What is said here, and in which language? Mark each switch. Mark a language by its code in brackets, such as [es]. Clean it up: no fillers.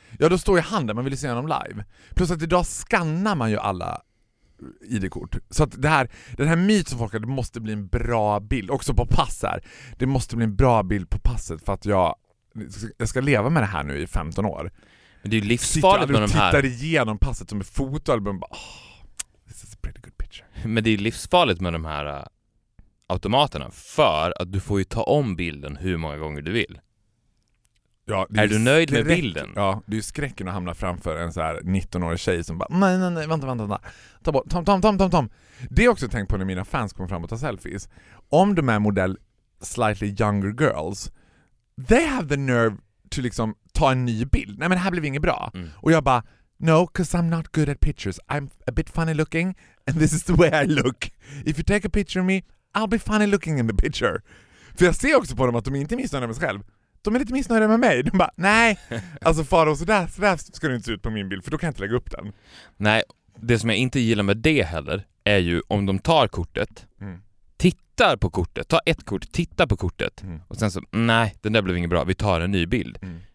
[sv] Ja, då står ju han där, man vill se honom live. Plus att idag skannar man ju alla ID-kort. Så att det här, den här myt som folk har, det måste bli en bra bild. Också på pass här. Det måste bli en bra bild på passet för att jag ska leva med det här nu i 15 år. Men det är ju livsfarligt med de här. Tittar igenom passet som ett fotoalbum. [en] Oh, this is a pretty good picture. [sv] Men det är livsfarligt med de här automaterna. För att du får ju ta om bilden hur många gånger du vill. Ja, är du nöjd med bilden? Ja, det är ju skräcken att hamna framför en så här 19-årig tjej som bara nej, vänta. Ta bort, Tom. Det är också tänkt på när mina fans kommer fram och tar selfies. Om de är modell [en] slightly younger girls, they have the nerve to [sv] liksom ta en ny bild. Nej, men det här blev inget bra. Mm. Och jag bara, [en] no, because I'm not good at pictures. I'm a bit funny looking and this is the way I look. If you take a picture of me, I'll be funny looking in the picture. [sv] För jag ser också på dem att de inte missar med sig själv. De är lite missnöjda med mig. De bara, nej. Alltså far och sådär ska det inte se ut på min bild. För då kan jag inte lägga upp den. Nej, det som jag inte gillar med det heller är ju om de tar kortet. Mm. Tittar på kortet. Ta ett kort, titta på kortet. Mm. Och sen så, nej, den där blev inget bra. Vi tar en ny bild. Mm.